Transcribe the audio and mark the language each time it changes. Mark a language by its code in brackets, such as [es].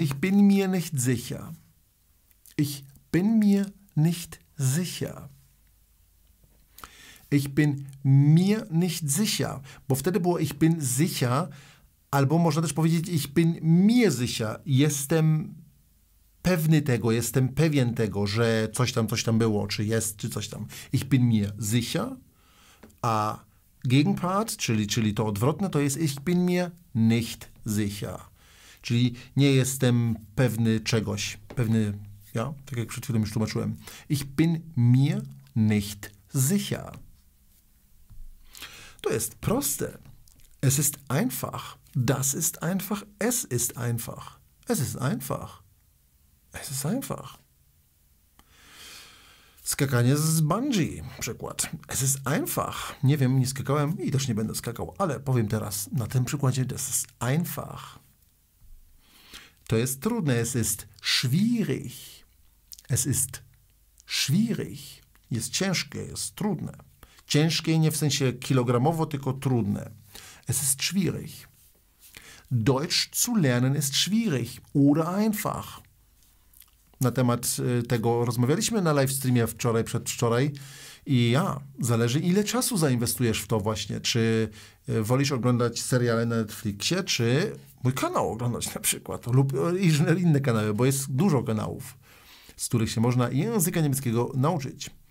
[de] Ich bin mir nicht sicher. Ich bin mir nicht sicher. Ich bin mir nicht sicher. [pl] Bo wtedy było [de] ich bin sicher. [pl] Albo można też powiedzieć [de] ich bin mir sicher. [pl] Jestem pewny tego, jestem pewien tego, że coś tam było, czy jest, czy coś tam. [de] Ich bin mir sicher. A Gegenpart, [pl] czyli to odwrotne, to jest [de] ich bin mir nicht sicher. [pl] Czyli nie jestem pewny czegoś. Pewny, ja, tak jak przed chwilą już tłumaczyłem. [de] Ich bin mir nicht sicher. [pl] To jest proste. [de] Es ist einfach. Das ist einfach. Es ist einfach. Es ist einfach. Es ist einfach. [pl] Skakanie z bungee, przykład. [de] Es ist einfach. [pl] Nie wiem, nie skakałem i też nie będę skakał, ale powiem teraz na tym przykładzie, [de] das ist einfach. To jest trudne. Es ist schwierig. Es ist schwierig. [pl] Jest ciężkie, jest trudne. Ciężkie nie w sensie kilogramowo, tylko trudne. [de] Es ist schwierig. Deutsch zu lernen ist schwierig oder einfach. [pl] Na temat tego rozmawialiśmy na livestreamie wczoraj, przedwczoraj. I ja, zależy ile czasu zainwestujesz w to właśnie. Czy wolisz oglądać seriale na Netflixie, czy mój kanał oglądać na przykład. Lub inne kanały, bo jest dużo kanałów, z których się można języka niemieckiego nauczyć.